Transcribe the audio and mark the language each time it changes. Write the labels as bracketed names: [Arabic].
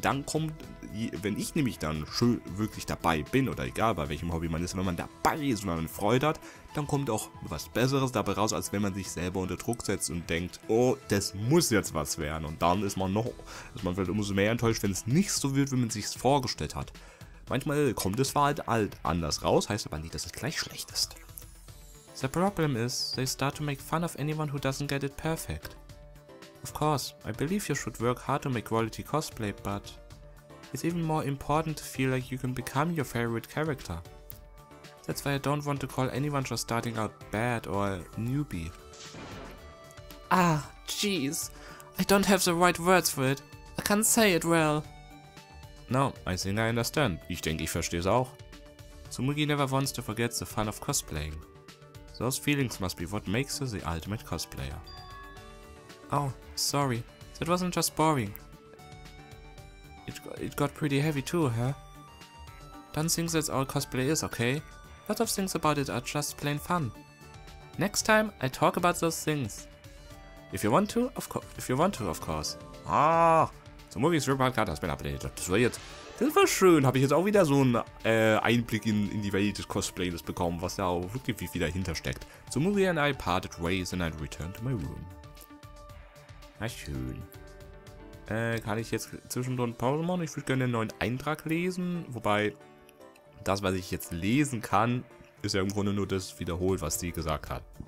[German] Dann kommt, wenn ich nämlich dann schön wirklich dabei bin oder egal bei welchem Hobby man ist, wenn man dabei ist und man Freude hat, dann kommt auch was Besseres dabei raus, als wenn man sich selber unter Druck setzt und denkt, oh, das muss jetzt was werden. Und dann ist man vielleicht umso mehr enttäuscht, wenn es nicht so wird, wie man sich es vorgestellt hat. Manchmal kommt es zwar halt anders raus, heißt aber nicht, dass es gleich schlecht ist. [English] The problem is, they start to make fun of anyone who doesn't get it perfect. Of course, I believe you should work hard to make quality cosplay, but it's even more important to feel like you can become your favorite character. That's why I don't want to call anyone just starting out bad or a newbie. Ah, jeez. I don't have the right words for it. I can't say it well. No, I think I understand. [German] Ich denke, ich verstehe es auch. [English] Tsumugi never wants to forget the fun of cosplaying. Those feelings must be what makes her the ultimate cosplayer. Oh, sorry. That wasn't just boring. It got pretty heavy too, huh? Don't think that's all cosplay is, okay? Lots of things about it are just plain fun. Next time, I talk about those things. If you want to, of course. Ah, so Movie's Report Card has been updated. [German] Das war schön. Habe ich jetzt auch wieder so einen Einblick in die Welt des Cosplayers bekommen, was da auch wirklich wie viel dahinter steckt. [English] So Movie and I parted ways and I returned to my room. [German] Na schön. Kann ich jetzt zwischendurch Pause machen? Ich würde gerne einen neuen Eintrag lesen, wobei das, was ich jetzt lesen kann, ist ja im Grunde nur das wiederholt, was sie gesagt hat.